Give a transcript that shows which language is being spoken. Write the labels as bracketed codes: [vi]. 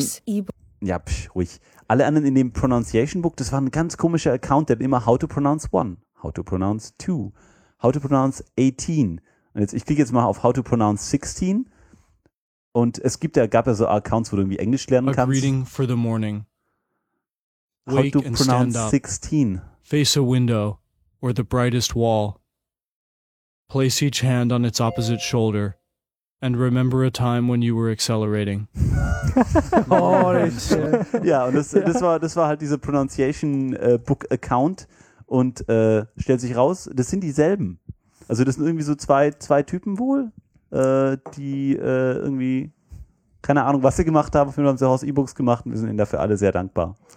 [de] Horse E-Books. Ja, ruhig. Alle anderen in dem Pronunciation Book, das war ein ganz komischer Account, der hat immer [en] how to pronounce one, how to pronounce two, how to pronounce 18. [de] Und jetzt, ich klicke jetzt mal auf [en] how to pronounce 16. [de] Und es gibt ja, gab ja so Accounts, wo du irgendwie Englisch lernen kannst. [en] A greeting for the morning. Wake how to pronounce stand up. 16. Face a window or the brightest wall. Place each hand on its opposite shoulder. And remember a time when you were accelerating. [de] Oh, das ist schön. Ja, und das war halt diese Pronunciation Book Account. Und stellt sich raus, das sind dieselben. Also das sind irgendwie so zwei Typen wohl, die irgendwie, keine Ahnung, was sie gemacht haben. Auf jeden Fall haben sie House E-Books gemacht und wir sind ihnen dafür alle sehr dankbar.